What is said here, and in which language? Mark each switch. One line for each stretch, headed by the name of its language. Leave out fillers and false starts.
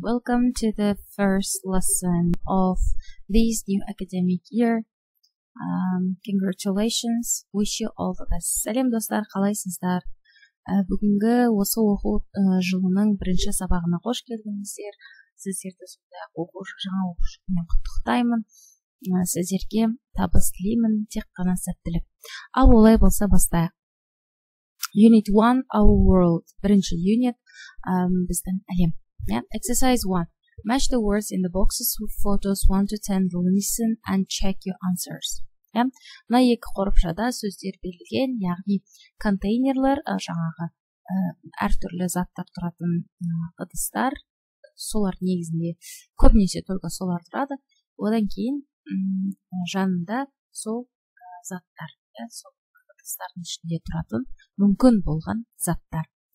English: Welcome to the first lesson of this new academic year. Congratulations. Wish you all the best.
Kazakh: Салем, достар, қалайсыздар? Бүгінгі осы оқу жылының бірінші сабағына қош келдіңіздер. Сіздерді жаңа оқу жылымен құттықтаймын. Сіздерге табыс тілеймін, тек қана сәттілік. Ал олай болса бастайық.
English: Unit 1, Our World.
Kazakh: Бірінші unit, біздің әлем.
English: Exercise 1. Match the words in the boxes with photos 1 to 10. Listen and check your answers.
Kazakh: Мына екі қорапшада сөздер берілген, яғни контейнерлер, жаңағы әртүрлі заттар тұратын ыдыстар, солар негізінде көбінесе только солар тұрады. Одан кейін жанында сол заттар, сол ыдыстардың ішінде тұратын мүмкін болған заттар.